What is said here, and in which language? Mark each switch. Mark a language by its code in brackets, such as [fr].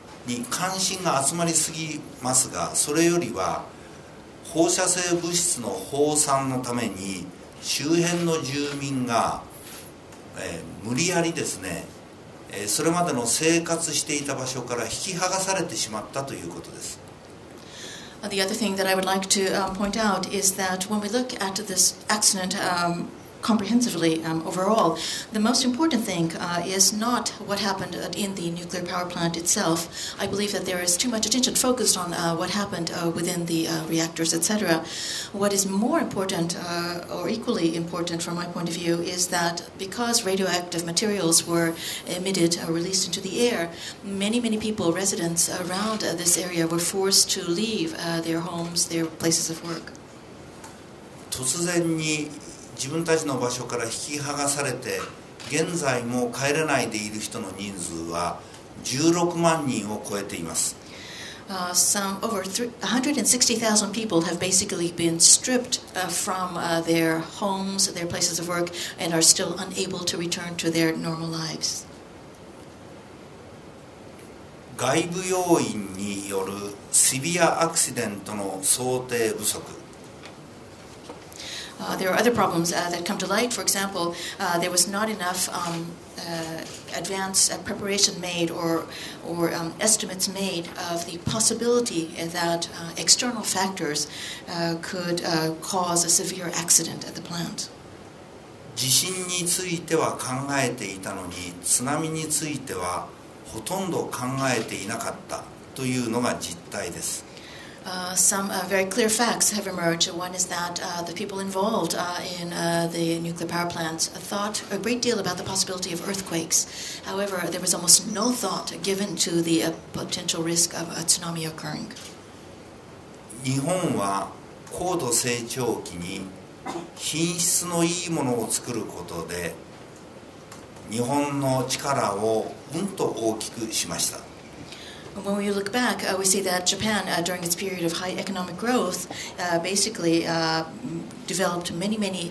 [ja] に関心が集まりすぎますが、それよりは放射性物質の放散のために周辺の住民が、無理やりですね、それまでの生活していた場所から引き剥がされてしまったということです。 [en] The other thing that I would like to point out is that when we look at this accident comprehensively overall, the most important thing is not what happened in the nuclear power plant itself. I believe that there is too much attention focused on what happened within the reactors, etc. What is more important or equally important from my point of view is that because radioactive materials were emitted or released into the air, many, many people, residents around this area were forced to leave their homes, their places of work. [ja] 自分たちの場所から引き剥がされて現在も帰れないでいる人の人数は16万人を超えています。 [en] Some over 160,000 people have basically been stripped from their homes, their places of work, and are still unable to return to their normal lives. [ja] 外部要因によるシビアアクシデントの想定不足。 [en] There are other problems that come to light. For example, there was not enough advance preparation made or estimates made of the possibility that external factors could cause a severe accident at the plant. [ja] 地震については考えていたのに、津波についてはほとんど考えていなかったというのが実態です。 [en] Some very clear facts have emerged. One is that the people involved in the nuclear power plants thought a great deal about the possibility of earthquakes. However, there was almost no thought given to the potential risk of a tsunami occurring. [ja] 日本は高度成長期に品質のいいものを作ることで日本の力をうんと大きくしました。 [en] When we look back, we see that Japan, during its period of high economic growth, basically developed many, many...